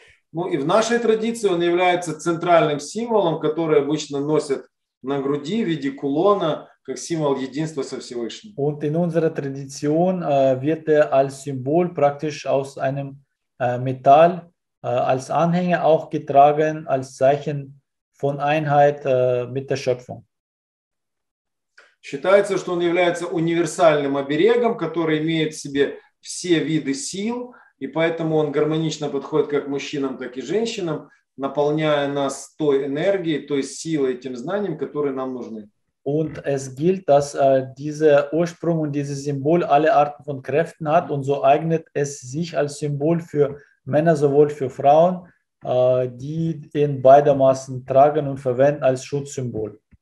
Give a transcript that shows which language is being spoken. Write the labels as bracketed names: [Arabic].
[Russian] Ну и в нашей традиции он является центральным символом, который обычно носят на груди в виде кулона, как символ единства со Всевышним. [German] Und in unserer Tradition wird als Symbol praktisch aus einem Metall als Anhänger auch getragen, als Zeichen von Einheit mit der Schöpfung. [Russian] Считается, что он является универсальным оберегом, который имеет в себе все виды сил, и поэтому он гармонично подходит как мужчинам, так и женщинам, наполняя нас той энергией, той силой, тем знанием, которые нам нужны. [German] Und es gilt, dass dieser Ursprung und dieses Symbol alle Arten von Kräften hat und so eignet es sich als Symbol für Männer sowohl für Frauen, die in beidermaßen tragen und verwenden als Schutzsymbol.